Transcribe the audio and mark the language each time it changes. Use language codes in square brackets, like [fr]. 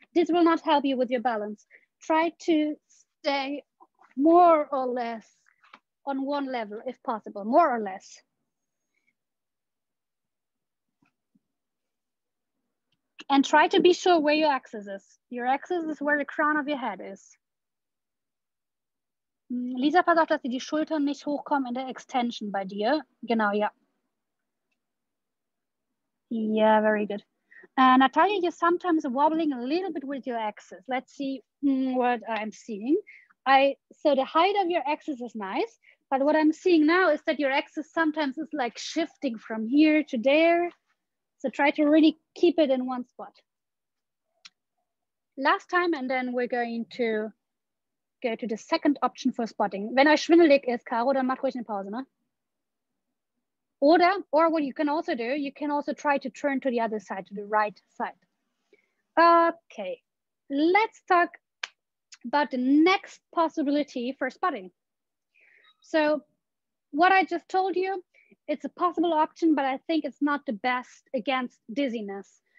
[en] This will not help you with your balance. Try to stay more or less on one level, if possible, more or less. And try to be sure where your axis is. Your axis is where the crown of your head is. [de] Lisa, pass auf, dass dir die Schultern nicht hochkommen in der Extension bei dir. Genau, ja. [en] Yeah, very good. Natalia, you're sometimes wobbling a little bit with your axis. Let's see what I'm seeing. So the height of your axis is nice, but what I'm seeing now is that your axis sometimes is like shifting from here to there. So try to really keep it in one spot. Last time, and then we're going to go to the second option for spotting. [de] Wenn euch schwindelig ist, Caro, dann macht ruhig eine Pause, ne? [en] Or what you can also do, you can also try to turn to the other side, to the right side. Okay, let's talk about the next possibility for spotting. So what I just told you, it's a possible option, but I think it's not the best against dizziness.